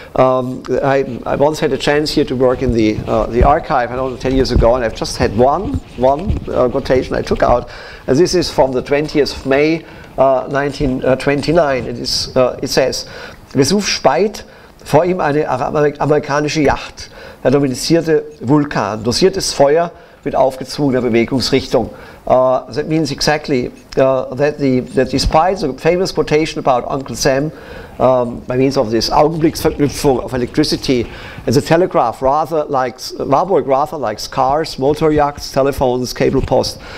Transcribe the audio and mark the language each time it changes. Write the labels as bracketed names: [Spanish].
[English] I once had a chance here to work in the archive, I don't know, 10 years ago, and I've just had one quotation I took out, and this is from the 20th of May 1929, and it says, [German] Vesuv speit vor ihm eine amerikanische Yacht. Der dominizierte Vulkan, dosiertes Feuer mit aufgezwungener Bewegungsrichtung. [English] That means exactly that despite the famous quotation about Uncle Sam, by means of this Augenblicksverknüpfung of electricity, and the telegraph, Warburg rather likes cars, motor yachts, telephones, cable post.